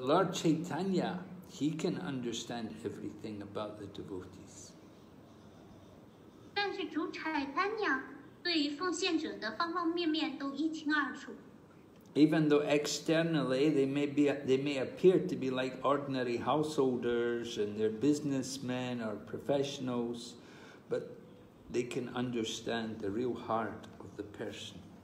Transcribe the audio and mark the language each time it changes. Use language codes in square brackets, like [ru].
[en] Lord Chaitanya, he can understand everything about the devotees. [zh] 但是主柴坦尼亚对奉献者的方方面面都一清二楚。 [en] Even though externally they may appear to be like ordinary householders and they're businessmen or professionals, but they can understand the real heart of the person.